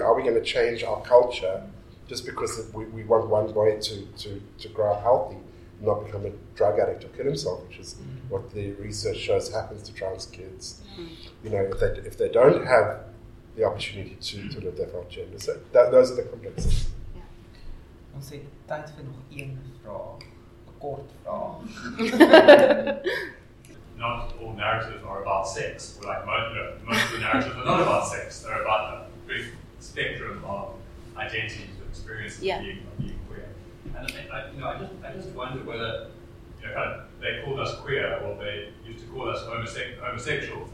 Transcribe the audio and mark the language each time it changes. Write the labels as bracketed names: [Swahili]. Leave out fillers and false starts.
[English] Are we going to change our culture just because we want one boy to grow up healthy, not become a drug addict or kill himself, which is what the research shows happens to trans kids, you know, if they don't have the opportunity to live their own gender. So those are the complexities. [Afrikaans] Ons het tyd vir nog een vraag, 'n kort vraag. [English] Not all narratives are about sex. Well, like most of the narratives are not about sex. They're about a big spectrum of identities and experiences of being queer. And I just wonder whether, you know, kind of they called us queer, or they used to call us homosexuals.